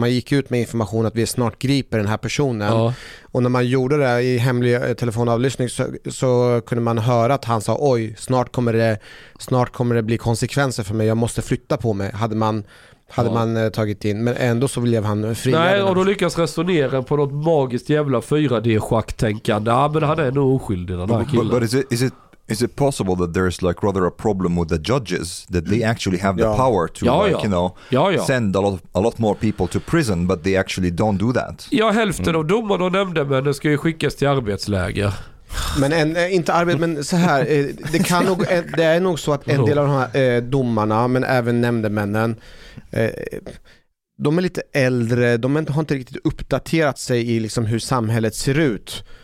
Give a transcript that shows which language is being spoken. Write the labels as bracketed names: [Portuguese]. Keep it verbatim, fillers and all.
[Swedish] Man gick ut med information att vi snart griper den här personen. Ja. Och när man gjorde det i hemlig telefonavlyssning så, så kunde man höra att han sa oj, snart kommer det snart kommer det bli konsekvenser för mig. Jag måste flytta på mig. Hade man Hade ja. man eh, tagit in. Men ändå så blev han fri. Nej, och då lyckas resonera på något magiskt jävla fyra D-schacktänkande. Ja, men han är nog oskyldig den här killen. [English] But, but is, it, is, it, is it possible that there's like rather a problem with the judges? That they actually have the ja. power to ja, like, ja. you know, [Swedish] ja, ja. [English] send a lot, a lot more people to prison. But they actually don't do that. [Swedish] Ja, hälften mm. av domarna och nämndemännen ska ju skickas till arbetsläger. Men en, inte arbete, men så här. Det, kan nog, det är nog så att en del av de här eh, domarna, men även nämndemännen, eh, de är lite äldre, de har inte riktigt uppdaterat sig i liksom hur samhället ser ut.